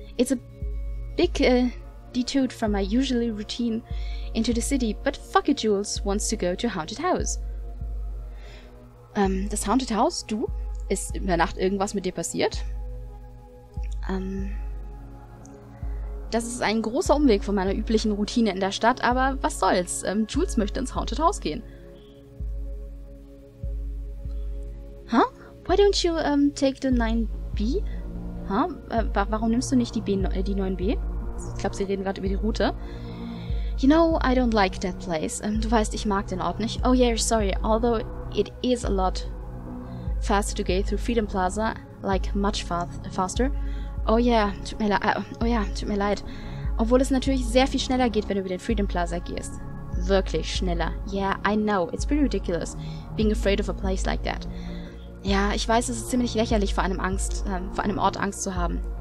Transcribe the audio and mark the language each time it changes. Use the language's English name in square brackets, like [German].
[English] It's a big detour from my usually routine into the city, but fuck it, Jules wants to go to Haunted House. [German] Das Haunted House? Du? Ist in der Nacht irgendwas mit dir passiert? Das ist ein großer Umweg von meiner üblichen Routine in der Stadt, aber was soll's? Jules möchte ins Haunted House gehen. [English] Huh? Why don't you take the 9B? Huh? [German] Warum nimmst du nicht die 9B? Ich glaube, sie reden gerade über die Route. [English] You know, I don't like that place. [German] Du weißt, ich mag den Ort nicht. [English] Oh yeah, sorry. Although it is a lot faster to get through Freedom Plaza, like much faster. [German] Oh yeah, tut mir leid. Obwohl es natürlich sehr viel schneller geht, wenn du über den Freedom Plaza gehst. Wirklich schneller. [English] Yeah, I know. It's pretty ridiculous being afraid of a place like that. [German] Ja, ich weiß, es ist ziemlich lächerlich, vor einem Ort Angst zu haben.